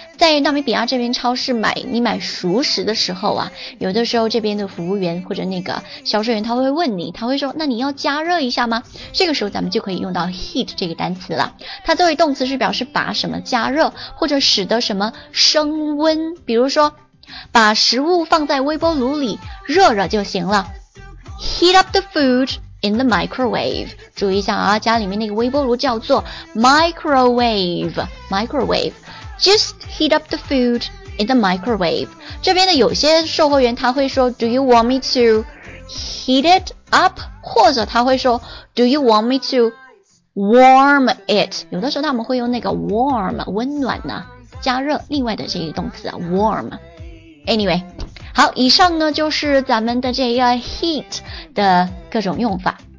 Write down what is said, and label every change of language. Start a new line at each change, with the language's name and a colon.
Chinese: 在纳米比亚这边超市买，你买熟食的时候啊，有的时候这边的服务员或者那个销售员他会问你，他会说，那你要加热一下吗？这个时候咱们就可以用到 heat 这个单词了。它作为动词是表示把什么加热，或者使得什么升温，比如说把食物放在微波炉里热热就行了。
English: Heat up the food in the microwave.
Chinese: 注意一下啊，家里面那个微波炉叫做 microwave.
English: Microwave. Just heat up the food in the microwave.
Chinese: 这边的有些售货员他会说
English: Do you want me to heat it up?
Chinese: 或者他会说
English: Do you want me to warm it?
Chinese: 有的时候他们会用那个 warm, 温暖呢、啊、加热另外的这个动词啊 warm.
English: Anyway.
Chinese: 好，以上呢就是咱们的这个 heat 的各种用法。